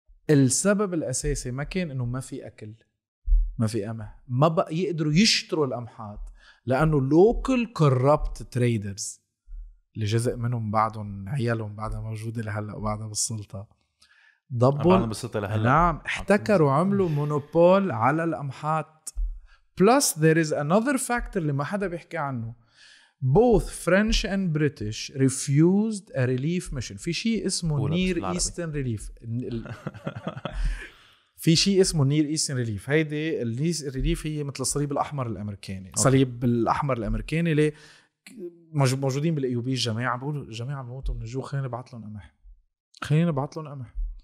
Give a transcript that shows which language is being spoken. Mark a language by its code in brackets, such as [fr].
[ar] السبب الاساسي ما كان انه ما في اكل، ما في قمح، ما بقى يقدروا يشتروا الامحات، لانه [en] local corrupt traders [ar] اللي جزء منهم بعضهم عيالهم بعدها موجودة لهلأ وبعدها بالسلطة ضبل، نعم، احتكروا عملوا مونوبول على الأمحات. [en] plus there is another factor [ar] اللي ما حدا بيحكي عنه، [en] both French and British refused a relief mission. [ar] في شيء اسمه near eastern relief. في شيء اسمه near eastern relief، هيدي الريليف هي مثل الصليب الأحمر الأمريكاني. صليب الأحمر الأمريكاني اللي موجودين بالأيوبية، جماعة بقولوا جماعة بموتوا من الجوع، خلينا نبعث لهم قمح، خلينا نبعث لهم قمح.